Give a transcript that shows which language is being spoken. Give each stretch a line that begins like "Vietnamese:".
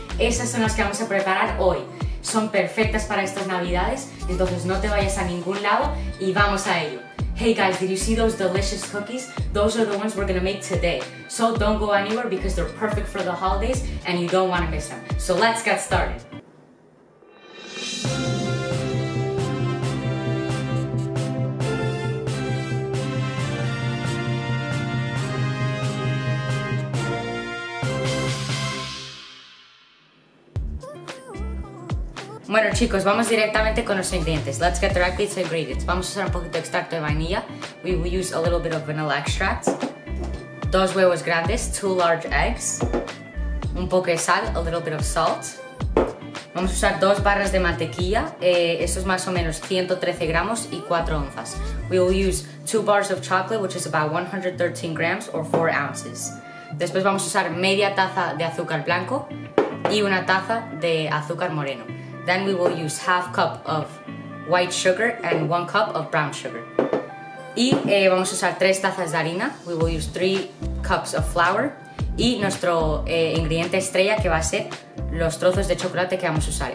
Spanish: Esas son las que vamos a preparar hoy. Son perfectas para estas navidades, entonces no te vayas a ningún lado y vamos a ello.
English: Hey guys, did you see those delicious cookies? Those are the ones we're gonna make today. So don't go anywhere because they're perfect for the holidays and you don't want to miss them. So let's get started.
Spanish: Bueno chicos, vamos directamente con los ingredientes.
English: Let's get directly to the ingredients.
Spanish: Vamos a usar un poquito de extracto de vainilla.
English: We will use a little bit of vanilla extract.
Spanish: Dos huevos grandes,
English: two large eggs.
Spanish: Un poco de sal,
English: a little bit of salt.
Spanish: Vamos a usar dos barras de mantequilla. Esto es más o menos 113 gramos y 4 onzas.
English: We will use two bars of chocolate, which is about 113 grams or 4 ounces.
Spanish: Después vamos a usar media taza de azúcar blanco y una taza de azúcar moreno.
English: Then we will use half cup of white sugar and one cup of brown sugar.
Spanish: Y vamos a usar tres tazas de harina.
English: We will use three cups of flour.
Spanish: Y nuestro ingrediente estrella que va a ser los trozos de chocolate que vamos a usar.